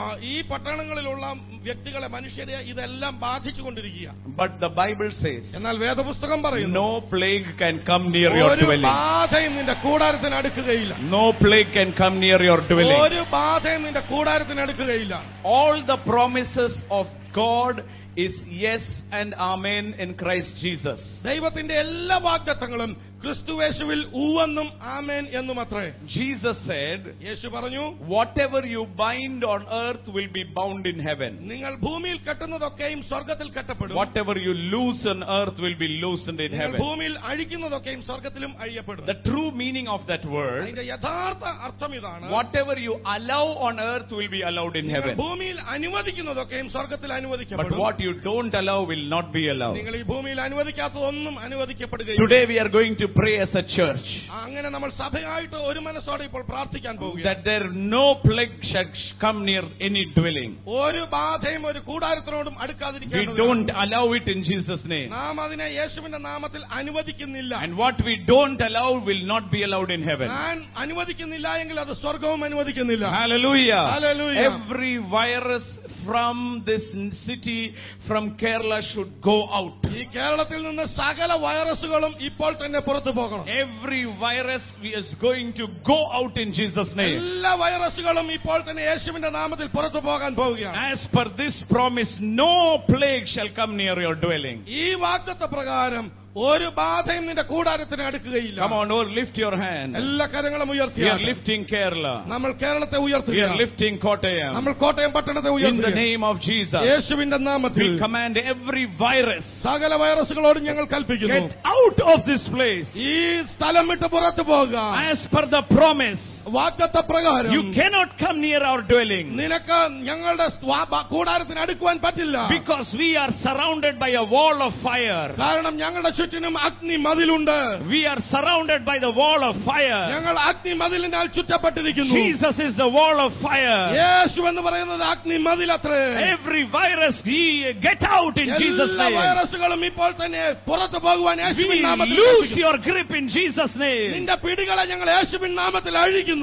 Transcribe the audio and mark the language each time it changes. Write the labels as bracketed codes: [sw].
[ml] ഈ പട്ടണങ്ങളിലുള്ള വ്യക്തികളെ, മനുഷ്യരെ ഇതെല്ലാം ബാധിച്ചുകൊണ്ടിരിക്കുക. [en] But the Bible says, [ml] എന്നാൽ വേദപുസ്തകം പറയുന്നു, [en] no plague can come near your dwelling. [ml] ഒരു ബാധയും നിന്റെ കൂടാരത്തിന് അടുക്കുകയില്ല. [en] No plague can come near your dwelling. [ml] ഒരു ബാധയും നിന്റെ കൂടാരത്തിന് അടുക്കുകയില്ല. [en] All the promises of God is yes and amen in Christ Jesus. [ml] ദൈവത്തിന്റെ എല്ലാ വാഗ്ദത്തങ്ങളും ക്രിസ്തുയേശുവിൽ ഉവെന്നും ആമേൻ എന്നും അത്രേ. [en] Jesus said, [ml] യേശു പറഞ്ഞു, [en] Whatever you bind on earth will be bound in heaven. [ml] നിങ്ങൾ ഭൂമിയിൽ കെട്ടുന്നതൊക്കെയും സ്വർഗത്തിൽ കെട്ടപ്പെടും. [en] Whatever you loose on earth will be loosed in heaven. [ml] ഭൂമിയിൽ അഴിക്കുന്നതൊക്കെയും സ്വർഗത്തിലും അഴിയപ്പെടും. [en] the true meaning of that word, [ml] അതിന്റെ യഥാർത്ഥ അർത്ഥം ഇതാണ്, [en] Whatever you allow on earth will be allowed in heaven. [ml] ഭൂമിയിൽ അനുവദിക്കുന്നതൊക്കെയും സ്വർഗത്തിൽ അനുവദിക്കപ്പെടും. [en] But what you don't allow will not be allowed. [ml] നിങ്ങൾ ഈ ഭൂമിയിൽ അനുവദിക്കാത്തതൊന്നും അനുവദിക്കപ്പെടുകയില്ല. [en] Today we are going to pray as a church. [ml] അങ്ങനെ നമ്മൾ സഭയായിട്ട് ഒരു മനസ്സോടെ ഇപ്പോൾ പ്രാർത്ഥിക്കാൻ പോകുക. [en] That there no plague shall come near any dwelling. [ml] ഒരു ബാധയും ഒരു കൂടാരത്തിനോടും അടുക്കാതിരിക്കാൻ. [en] We don't allow it in Jesus name. [ml] നാം അതിനെ യേശുവിന്റെ നാമത്തിൽ അനുവദിക്കുന്നില്ല. [en] And what we don't allow will not be allowed in heaven. [ml] ഞാൻ അനുവദിക്കുന്നില്ല എങ്കിൽ അത് സ്വർഗവും അനുവദിക്കുന്നില്ല. Hallelujah. Hallelujah. [en] Every virus from this city, from Kerala, should go out. [ml] ഈ കേരളത്തിൽ നിന്ന് സകല വൈറസുകളും ഇപ്പോൾ തന്നെ പുറത്തു പോകണം. [en] Every virus is going to go out in Jesus name. [ml] എല്ലാ വൈറസുകളും ഇപ്പോൾ തന്നെ യേശുവിന്റെ നാമത്തിൽ പുറത്തു പോകാൻ പോവുകയാണ്. [en] As per this promise, no plague shall come near your dwelling. [ml] ഈ വാഗ്ദത്ത പ്രകാരം ഒരു ബാധയും നിന്റെ കൂടാരത്തിന് അടുക്കുകയില്ല. [en] Come on, Lord, lift your hand. [ml] എല്ലാ കരങ്ങളും ഉയർത്തിയാൽ. [en] We are lifting Kerala. [ml] നമ്മൾ കേരളത്തെ ഉയർത്തുകയാണ്. [en] We are lifting Kottayam. [ml] നമ്മൾ കോട്ടയം പട്ടണത്തെ ഉയർത്തുകയാണ്. [en] In the name of Jesus. [ml] യേശുവിന്റെ നാമത്തിൽ. [en] We command every virus. [ml] സകല വൈറസുകളോടും ഞങ്ങൾ കൽപ്പിക്കുന്നു. [en] Get out of this place. [ml] ഈ സ്ഥലം വിട്ട് പുറത്തു പോവുക. [en] As per the promise. [ml] വാഗ്ദത്ത പ്രകാരം. [en] You cannot come near our dwelling. [ml] നിനക്ക് ഞങ്ങളുടെ കൂടാരത്തിന് അടുക്കുവാൻ പറ്റില്ല. [en] Because we are surrounded by a wall of fire. [ml] കാരണം ഞങ്ങളുടെ ചുറ്റിനും അഗ്നി മതിലുണ്ട്. [en] We are surrounded by the wall of fire. [ml] ഞങ്ങൾ അഗ്നി മതിലിനാൽ ചുറ്റപ്പെട്ടിരിക്കുന്നു. [en] Jesus is the wall of fire. [ml] യേശു എന്ന് പറയുന്നത് അഗ്നി മതിലത്രേ. [en] Every virus, he get out in Jesus' name. [ml] എല്ലാ വൈറസുകളും ഇപ്പോൾ തന്നെ പുറത്തു പോകുവാൻ യേശുവിൻ നാമത്തിൽ. [en] Lose your grip in Jesus' name. [ml] നിന്റെ പിടികളെ ഞങ്ങൾ യേശുവിൻ നാമത്തിൽ അഴി.